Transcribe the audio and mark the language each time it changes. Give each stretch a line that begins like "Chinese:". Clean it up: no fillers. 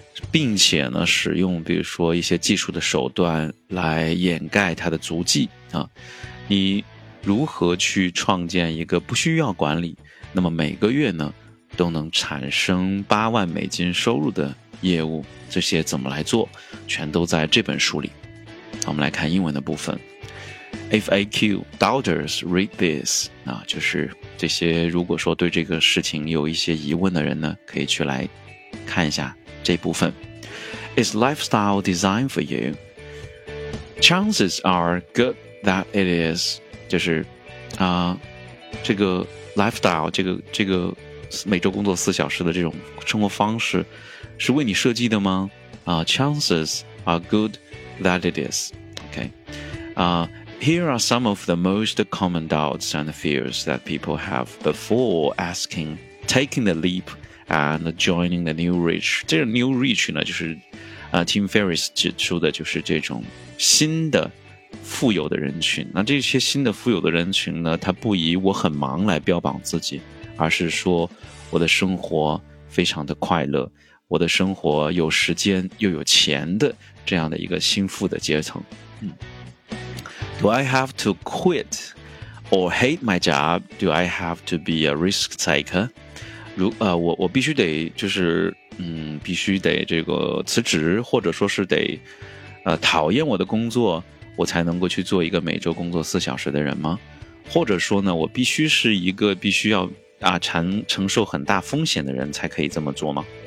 Chinese: 并且呢使用比如说一些技术的手段来掩盖他的足迹啊，你如何去创建一个不需要管理，那么每个月呢都能产生$80,000收入的业务，这些怎么来做，全都在这本书里。我们来看英文的部分。
English: FAQ doubters read this
Chinese: 啊，就是这些如果说对这个事情有一些疑问的人呢，可以去来看一下这部分。
English: Is lifestyle designed for you? Chances are good that it is.
Chinese: 就是啊，这个 lifestyle 这个每周工作四小时的这种生活方式是为你设计的吗？
English: 啊 ，Chances are good that it is. OK， 啊。 Here are some of the most common doubts and fears that people have before taking the leap and joining the new rich.
Chinese: 这个 new rich 呢，就是Tim Ferriss 指出的，就是这种新的富有的人群。那这些新的富有的人群呢，他不以我很忙来标榜自己，而是说我的生活非常的快乐，我的生活有时间又有钱的这样的一个新富的阶层。
English: Do I have to quit or hate my job? Do I have to be a risk taker?
Chinese: 我必须得就是必须得这个辞职，或者说是得讨厌我的工作，我才能够去做一个每周工作四小时的人吗？或者说呢，我必须是一个必须要承受很大风险的人才可以这么做吗？